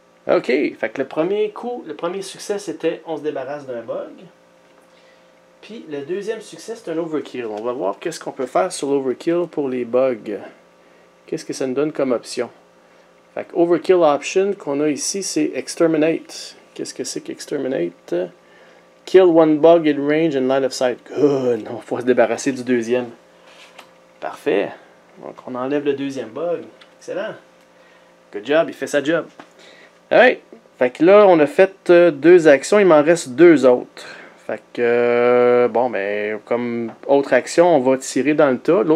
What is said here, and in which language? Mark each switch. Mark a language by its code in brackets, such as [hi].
[fr] OK, fait que le premier succès, c'était on se débarrasse d'un bug. Puis le deuxième succès, c'est un overkill. On va voir qu'est-ce qu'on peut faire sur l'overkill pour les bugs. Qu'est-ce que ça nous donne comme option? Fait que overkill option qu'on a ici, c'est exterminate. Qu'est-ce que c'est qu'exterminate? [en] Kill one bug in range and line of sight. Good! [fr] On va se débarrasser du deuxième. Parfait! Donc on enlève le deuxième bug. Excellent! [en] Good job, [fr] il fait sa job. Alright! Fait que là, on a fait deux actions, il m'en reste deux autres. Fait que, bon, ben, comme autre action, on va tirer dans le tas.